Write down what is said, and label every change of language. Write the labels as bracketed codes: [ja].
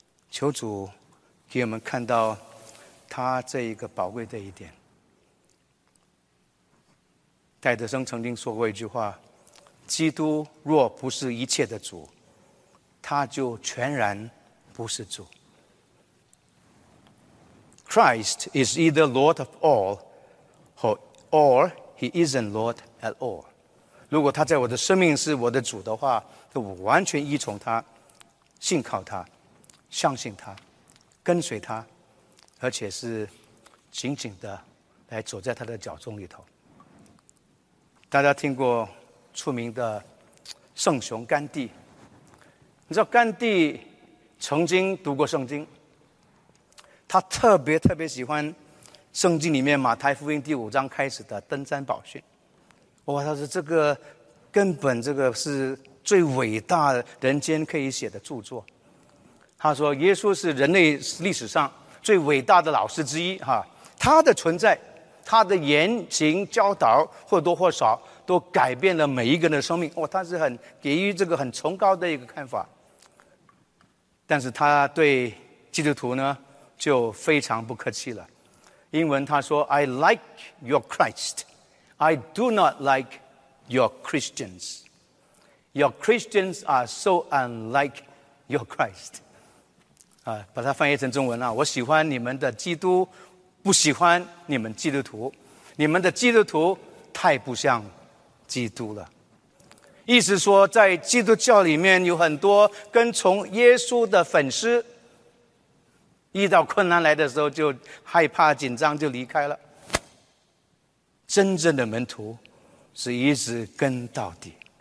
[zh] 求主给我们看到他这一个宝贵的一点。戴德生曾经说过一句话，基督若不是一切的主，他就全然不是主。 [en] Christ is either Lord of all or he isn't Lord at all。 [zh] 如果他在我的生命是我的主的话，就我完全依从他，信靠他，相信他，跟随他，而且是紧紧的来走在他的脚踪里头。大家听过出名的圣雄甘地，你知道甘地曾经读过圣经，他特别特别喜欢圣经里面马太福音第五章开始的登山宝训。哇，他说这个根本这个是最伟大人间可以写的著作。他说耶稣是人类历史上最伟大的老师之一哈，他的存在，他的言行教导或多或少都改变了每一个人的生命。哦，他是很给予这个很崇高的一个看法，但是他对基督徒呢就非常不客气了。英文他说 [en] I like your Christ, I do not like your Christians. Your Christians are so unlike your Christ. [zh] 把它翻译成中文了，我喜欢你们的基督，不喜欢你们基督徒，你们的基督徒太不像基督了。意思说在基督教里面有很多跟从耶稣的粉丝，遇到困难来的时候就害怕紧张就离开了，真正的门徒是一直跟到底。